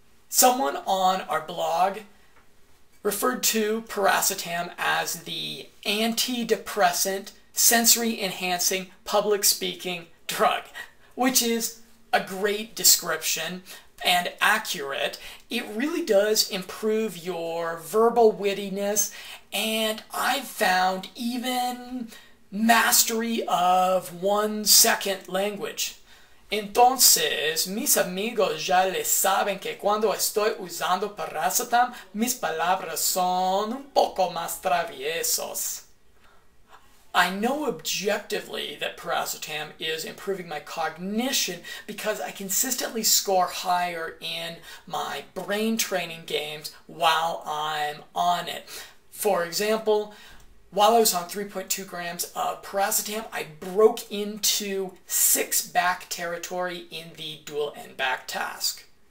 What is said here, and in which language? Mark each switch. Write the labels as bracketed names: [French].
[English] Someone on our blog referred to Piracetam as the antidepressant sensory enhancing public speaking drug, which is a great description and accurate. It really does improve your verbal wittiness, and I've found even mastery of one second language. [Spanish] Entonces, mis amigos ya le saben que cuando estoy usando Piracetam, mis palabras son un poco más traviesos. [English] I know objectively that Piracetam is improving my cognition because I consistently score higher in my brain training games while I'm on it. For example, while I was on 3.2 grams of Piracetam, I broke into 6-back territory in the dual end back task.